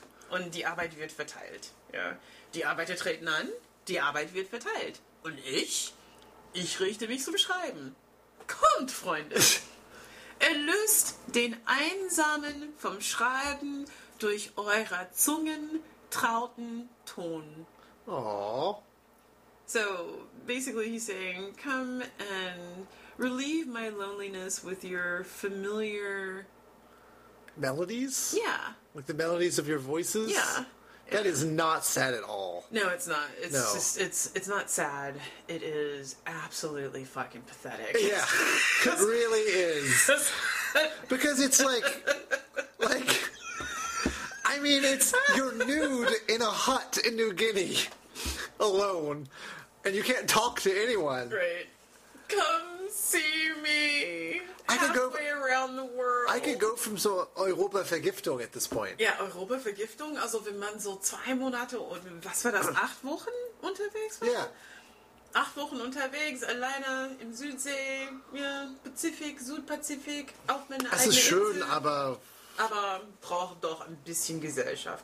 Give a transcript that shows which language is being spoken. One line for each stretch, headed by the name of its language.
German: Und die Arbeit wird verteilt. Ja. Die Arbeiter treten an, die Arbeit wird verteilt. Und ich? Ich richte mich zum Schreiben. Kommt, Freunde! Erlöst den Einsamen vom Schreiben durch eurer Zungen trauten Ton. Aww.
English: So, basically he's saying, come and relieve my loneliness with your familiar... melodies? Yeah. Like the melodies of your voices? Yeah. That is not sad at all. No, it's not. It's not sad. It is absolutely fucking pathetic. Yeah. It really is. Because it's like, I mean, it's, you're nude in a hut in New Guinea, alone, and you can't talk to anyone. Right. Come see me. I could go around the world. I could go from so Europa-Vergiftung at this point.
German: Ja, Europa-Vergiftung, also wenn man so 2 Monate und was war das, 8 Wochen unterwegs war? Ja. Yeah. 8 Wochen unterwegs, alleine im Südsee, ja, Pazifik, Südpazifik, auf meine eigene Insel. Es ist schön, aber... Aber braucht doch ein bisschen Gesellschaft.